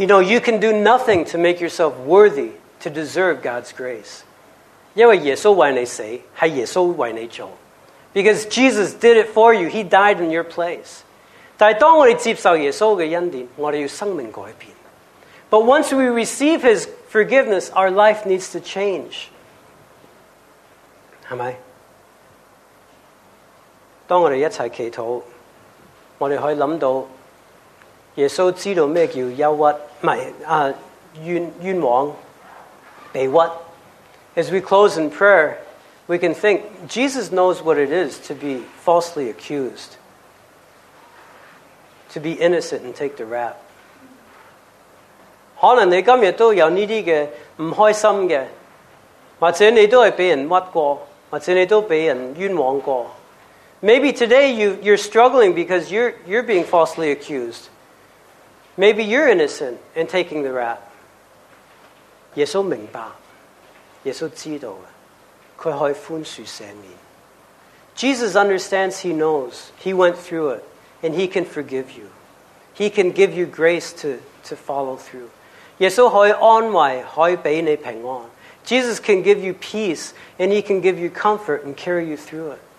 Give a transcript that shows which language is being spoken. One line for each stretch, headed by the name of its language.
English: You know, you can do nothing to make yourself worthy to deserve God's grace.
Chinese: 因为耶稣为你死，是耶稣为你做。
English: Because Jesus did it for you. He died in your place.
Chinese: 但是当我们接受耶稣的恩典，我们要生命改变。
English: But once we receive his forgiveness, our life needs to change.
Chinese: 是吗？当我们一起祈祷，我们可以想到耶稣知道什么叫忧郁，不是，冤枉，被屈。
English: As we close in prayer, we can think, Jesus knows what it is to be falsely accused, to be innocent and take the rap.
Chinese: 可能你今天都有这些不开心的，或者你都是被人屈过，或者你都被人冤枉过。
English: Maybe today you're struggling because you're being falsely accused. Maybe you're innocent and taking the rap.
Chinese: 耶稣明白，耶稣知道，他可以宽恕赦免。
English: Jesus understands, he knows, he went through it, and he can forgive you. He can give you grace to follow through.
Chinese: 耶稣可以安慰，可以给你平安。
English: Jesus can give you peace, and he can give you comfort and carry you through it.